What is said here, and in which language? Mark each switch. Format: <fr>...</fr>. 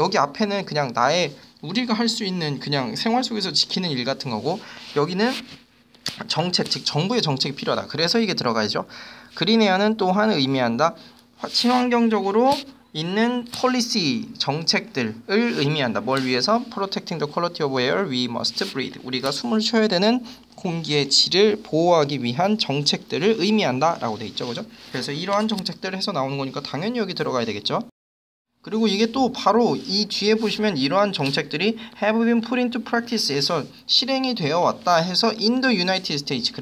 <ko>여기 앞에는 그냥 나의 우리가 할수 있는 그냥 생활 속에서 지키는 일 같은 거고 여기는 정책 즉 정부의 정책이 필요하다. 그래서 이게 들어가야죠. 그린 에어는 또한 의미한다. 친환경적으로 있는 policy 정책들을 의미한다. 뭘 위해서?</ko> <en>Protecting the quality of air we must breathe.</en> <ko>우리가 숨을 쉬어야 되는 공기의 질을 보호하기 위한 정책들을 의미한다라고 돼 있죠, 그죠? 그래서 이러한 정책들을 해서 나오는 거니까 당연히 여기 들어가야 되겠죠. 그리고 이게 또 바로 이 뒤에 보시면 이러한 정책들이</ko> <en>have been put into practice</en> <ko>에서 실행이 되어 왔다 해서</ko> <en>in the United States.</en>